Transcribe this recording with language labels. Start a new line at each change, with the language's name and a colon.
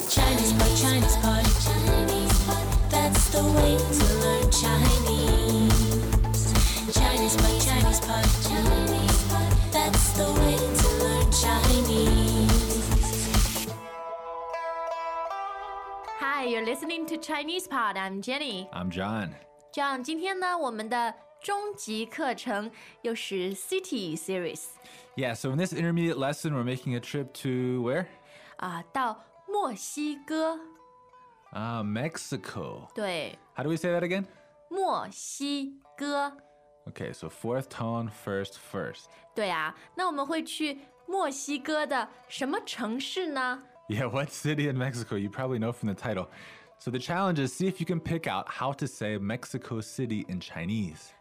English: Chinese pod, Chinese pod, Chinese pod, that's the way to learn Chinese. Chinese pod, Chinese pod, Chinese pod, that's the way to learn Chinese. Hi, you're listening to Chinese pod. I'm Jenny. I'm John.
Chinese: John, 今天呢，我们的终极课程又是 City Series.
English: Yeah, so in this intermediate lesson, we're making a trip to where?
Chinese: 啊，到墨西哥。
English: 啊，Mexico.
Chinese: 对。
English: How do we say that again?
Chinese: 墨西哥。
English: Okay, so fourth tone, first, first.
Chinese: 对啊，那我们会去墨西哥的什么城市呢？
English: Yeah, what city in Mexico? You probably know from the title. So the challenge is, see if you can pick out how to say Mexico City in Chinese.